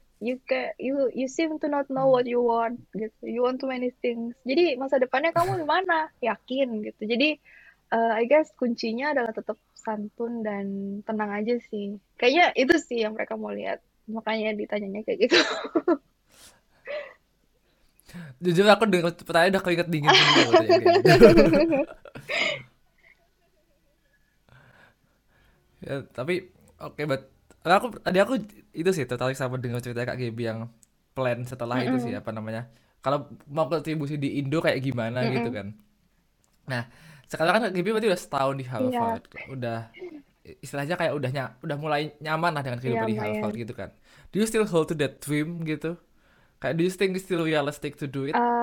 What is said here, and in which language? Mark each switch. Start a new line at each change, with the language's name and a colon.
English: You seem to not know what you want gitu. You want too many things.
Indonesian: Jadi masa depannya kamu di mana? Yakin gitu. Jadi
English: I guess
Indonesian: kuncinya adalah tetap santun dan tenang aja sih. Kayaknya itu sih yang mereka mau lihat. Makanya ditanyanya kayak gitu. Jujur aku dengar pertanyaan udah keringet dingin dingin loh tanya kayak gitu. Ya, tapi oke okay, aku tadi aku itu sih tertarik sama dengar cerita Kak Gibi yang plan setelah itu sih apa namanya kalau mau kontribusi di Indo kayak gimana gitu kan. Nah sekarang kan Kak Gibi berarti udah setahun di Harvard, udah istilahnya kayak udah mulai nyaman lah dengan kehidupan Iya, di Harvard lumayan. gitu kan.
English: Do you still hold to that dream gitu? Kayak, do you think it's still realistic to do it?